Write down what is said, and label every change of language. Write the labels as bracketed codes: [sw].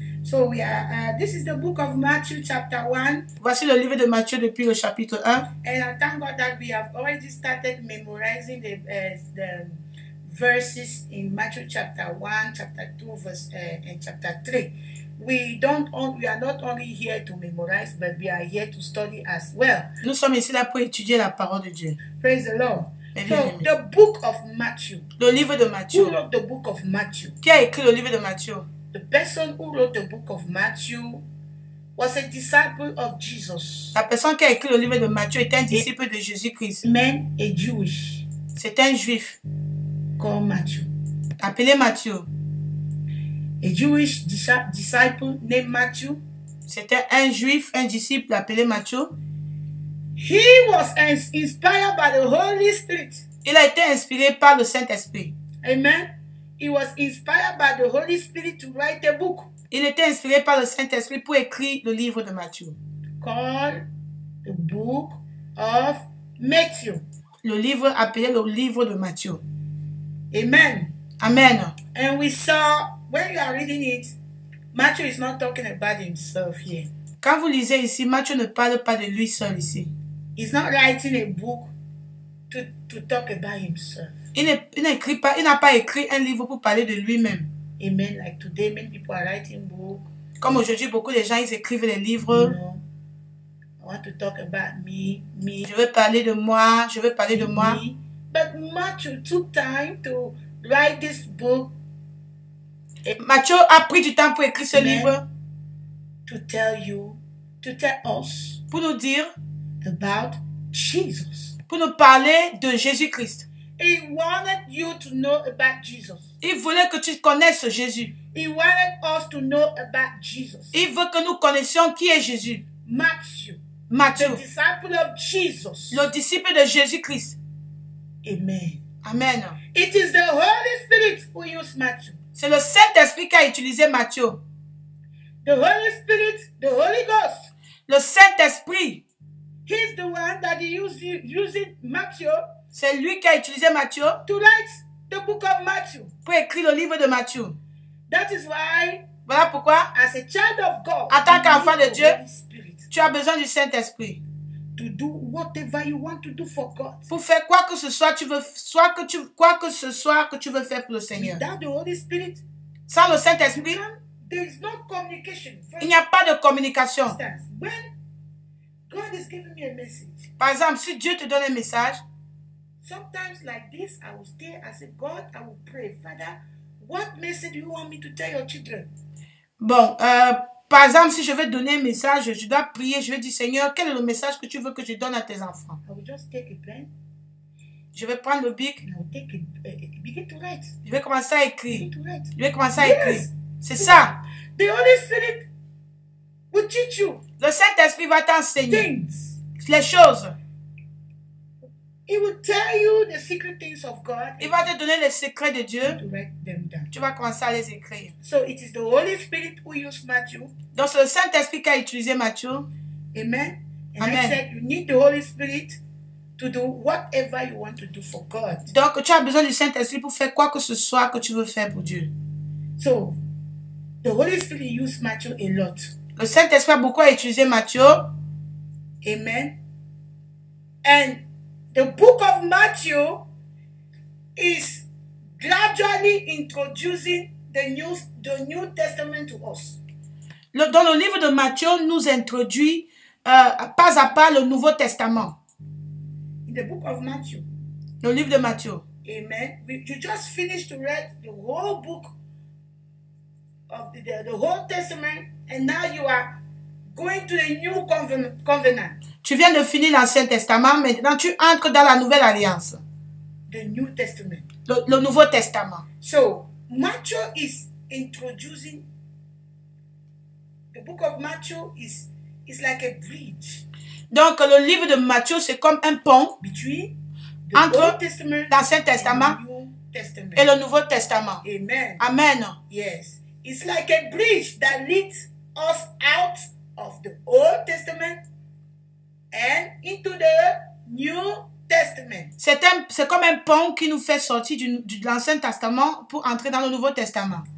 [en] So we are, this is the book of Matthew chapter 1. [fr] Voici le livre de Matthieu depuis le chapitre 1. [en] And thank God that we have already started memorizing the verses in Matthew chapter 1, chapter 2, and chapter 3. We are not only here to memorize, but we are here to study as well. [fr] Nous sommes ici là pour étudier la parole de Dieu. [en] Praise the Lord. So, the book of Matthew. [fr] Le livre de Matthieu. [en] Who wrote the book of Matthew? [fr] Qui a écrit le livre de Matthieu? [en] The person who wrote the book of Matthew was a disciple of Jesus. [fr] La personne qui a écrit le livre de Matthieu était un disciple de Jésus-Christ. [en] Man, a Jewish. [fr] C'est un juif. [en] Called Matthew. [fr] Appelé Matthieu. [en] A Jewish disciple named Matthew. [fr] C'était un juif, un disciple appelé Matthieu. [en] He was inspired by the Holy Spirit. [fr] Il a été inspiré par le Saint-Esprit. Amen. [en] He was inspired by the Holy Spirit to write a book. [fr] Il était inspiré par le Saint-Esprit pour écrire le livre de Matthieu. [en] Called the book of Matthew. [fr] Le livre appelé le livre de Matthieu. Amen. Amen. [en] And we saw, when you are reading it, Matthew is not talking about himself here. [fr] Quand vous lisez ici, Matthieu ne parle pas de lui seul ici. [en] He's not writing a book to talk about himself. [fr] Il n'a pas écrit un livre pour parler de lui-même. Amen. [en] Like today, many people are writing books. [fr] Comme aujourd'hui, beaucoup de gens ils écrivent des livres. [en] No. I want to talk about me. [fr] Je veux parler de moi. Je veux parler de moi. Me. [en] But Matthew took time to write this book. [fr] Matthew a pris du temps pour écrire ce Amen. Livre. [en] To tell you, to tell us. [fr] Pour nous dire. [en] About Jesus. [fr] pour nous parler de Jésus-Christ. [en] He wanted you to know about Jesus. [fr] Il voulait que tu connaisses Jésus. [en] He wanted us to know about Jesus. [fr] Il veut que nous connaissions qui est Jésus. [en] Matthew. The disciple of Jesus. [fr] Le disciple de Jésus-Christ. Amen. Amen. [en] It is the Holy Spirit who used Matthew. [fr] C'est le Saint-Esprit qui a utilisé Matthieu. [en] The Holy Spirit, the Holy Ghost. [fr] Le Saint-Esprit. [en] He's the one that using Matthieu. [fr] C'est lui qui a utilisé Matthieu. [en] To write the book of Matthew. [fr] Pour écrire le livre de Matthieu. [en] That is why. [fr] Voilà pourquoi. [en] As a child of God. [fr] En tant qu'enfant de Dieu. Tu as besoin du Saint-Esprit. [en] To do whatever you want to do for God. [fr] Pour faire quoi que ce soit, tu veux soit que tu quoi que ce soit que tu veux faire pour le Seigneur. [en] Without the Holy Spirit. [fr] Sans le Saint-Esprit. [en] There is no communication. [fr] Il n'y a pas de communication. [en] When God is giving me a message. [fr] Par exemple, si Dieu te donne un message. [en] Sometimes like this, I will stay and say, God, I will pray, Father, what message do you want me to tell your children? [fr] Bon, par exemple, si je veux donner un message, je dois prier, je vais dire, Seigneur, quel est le message que tu veux que je donne à tes enfants? [en] I will just take a pen. [fr] Je vais prendre le bic. [en] No, take a begin to write. [fr] Je vais commencer à écrire. [en] Begin to write. [fr] Je vais commencer à écrire. [en] Yes. [fr] C'est ça. [en] The Holy Spirit will teach you. [fr] Le Saint-Esprit va t'enseigner. [en] Things. [fr] Les choses. [en] He will tell you the secret things of God. [fr] Il va te donner les secrets de Dieu. [en] To write them down. [fr] Tu vas commencer à les écrire. [en] So it is the Holy Spirit who used Matthew. [fr] Donc c'est le Saint-Esprit qui a utilisé Matthieu. Amen. Amen. [en] And I said you need the Holy Spirit to do whatever you want to do for God. [fr] Donc tu as besoin du Saint-Esprit pour faire quoi que ce soit que tu veux faire pour Dieu. [en] So the Holy Spirit used Matthew a lot. [fr] Le Saint-Esprit a beaucoup utilisé Matthieu. Amen. [en] And the book of Matthew is gradually introducing the new Testament to us. [fr] Dans le livre de Matthieu nous introduit pas à pas le Nouveau Testament. [en] In the book of Matthew. [fr] Le livre de Matthieu. Amen. [en] You just finished to read the whole book of the whole Testament and now you are going to the new covenant. [fr] Tu viens de finir l'Ancien Testament, maintenant tu entres dans la Nouvelle Alliance. [en] The New Testament. [fr] Le Nouveau Testament. [en] So, Matthew is introducing. The book of Matthew is like a bridge. [fr] Donc, le livre de Matthieu, c'est comme un pont. [en] Between [fr] entre [en] Old Testament [fr] l'Ancien Testament, [en] and the New Testament [fr] et le Nouveau Testament. Amen. Amen. [en] Yes. It's like a bridge that leads us out of the Old Testament. And into the New Testament. [fr] C'est comme un pont qui nous fait sortir de l'Ancien Testament pour entrer dans le Nouveau Testament.